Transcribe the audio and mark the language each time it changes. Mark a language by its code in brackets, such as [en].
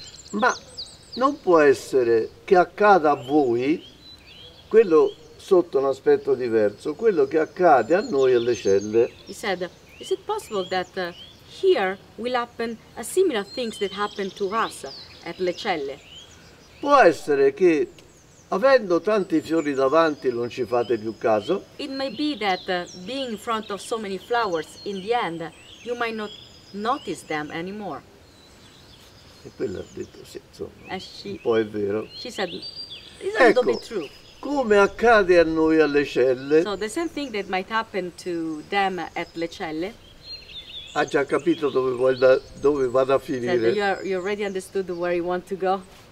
[it] Ma non può essere che accada a voi, quello sotto un aspetto diverso, quello che accade a noi alle celle. [en] He said, is it possible that here will happen a similar things that happen to us at le celle? [it] Può essere che avendo tanti fiori davanti non ci fate più caso. [en] It may be that being in front of so many flowers in the end you might not notice them anymore. [it] E quella ha detto, sì, insomma, un po' è vero. [en] She said, it's a little bit true. [it] come accade a noi alle celle. [en] So the same thing that might happen to them at le celle. [it] Ha già capito dove vado a finire. [en] So you already understood where you want to go.